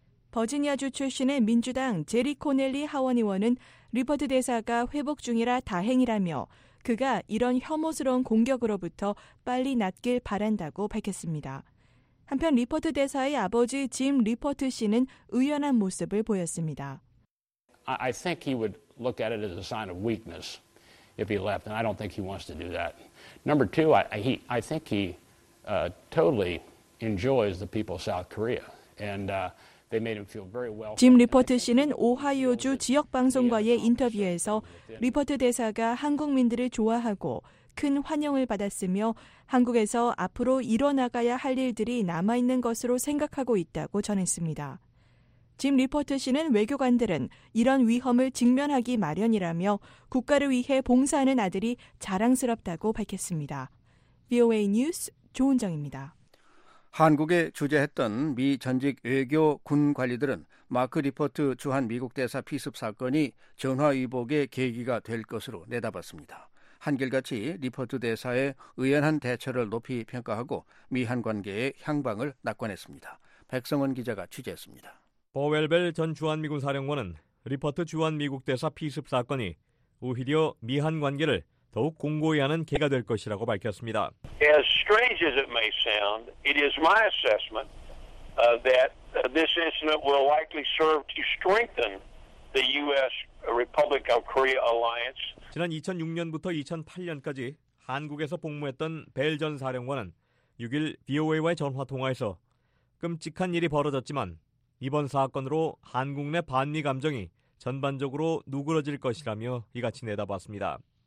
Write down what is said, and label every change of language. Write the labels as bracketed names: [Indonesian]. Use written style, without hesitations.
[Korean] 버지니아주 출신의 민주당 제리 코넬리 하원의원은 리퍼트 대사가 회복 중이라 다행이라며 그가 이런 혐오스러운 공격으로부터 빨리 낫길 바란다고 밝혔습니다. 한편 리퍼트 대사의 아버지 짐 리퍼트 씨는 의연한 모습을 보였습니다. [English] I think he would look at it as a sign of weakness if he left, and I don't think he wants to do that. Number two, I think he totally enjoys the people of South Korea, and they made him feel very welcome. [Korean] 짐 리퍼트 씨는 오하이오주 지역 방송과의 인터뷰에서 리퍼트 대사가 한국민들을 좋아하고 큰 환영을 받았으며 한국에서 앞으로 일어나가야 할 일들이 남아 있는 것으로 생각하고 있다고 전했습니다. 짐 리퍼트 씨는 외교관들은 이런 위험을 직면하기 마련이라며 국가를 위해 봉사하는 아들이 자랑스럽다고 밝혔습니다. VOA 뉴스 조은정입니다. 한국에 주재했던 미 전직 외교 군 관리들은 마크 리퍼트 주한 미국 대사 피습 사건이 전화위복의 계기가 될 것으로 내다봤습니다. 한결같이 리퍼트 대사의 의연한 대처를 높이 평가하고 미한 관계의 향방을 낙관했습니다. 백성원 기자가 취재했습니다. 버웰벨 전 주한미군 사령관은 리퍼트 주한미국 대사 피습 사건이 오히려 미한 관계를 더욱 공고히 하는 계기가 될 것이라고 밝혔습니다. [English] As strange as it may sound, it is my assessment that this incident will likely serve to strengthen the U.S. Republic of Korea alliance. [Korean] 지난 2006년부터 2008년까지 한국에서 복무했던 벨 전 사령관은 6일 VOA와의 전화 통화에서 끔찍한 일이 벌어졌지만 이번 사건으로 한국 내 반미 감정이 전반적으로 누그러질 것이라며 이같이 내다봤습니다.